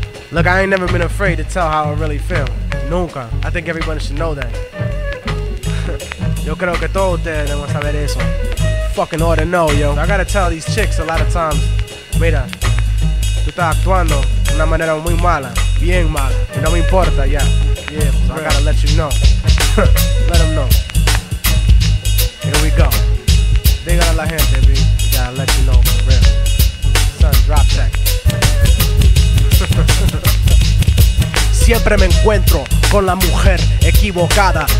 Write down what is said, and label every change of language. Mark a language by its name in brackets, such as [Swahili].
[English] Look, I ain't never been afraid to tell how I really feel. [Spanish] Nunca. [English] I think everybody should know that. [Spanish] Yo creo que todos ustedes deben saber eso. [English] Fucking ought to know, yo. I gotta tell these chicks a lot of times. [Spanish] Mira, tú estás actuando de una manera muy mala. Bien mala. Y no me importa, ya. [English] Yeah, yeah, so I gotta let you know. Let them know. Here we go. They got [Spanish] a la gente, [English] B. Gotta let you know for real. Son, drop check. [Spanish] Siempre me encuentro con la mujer equivocada.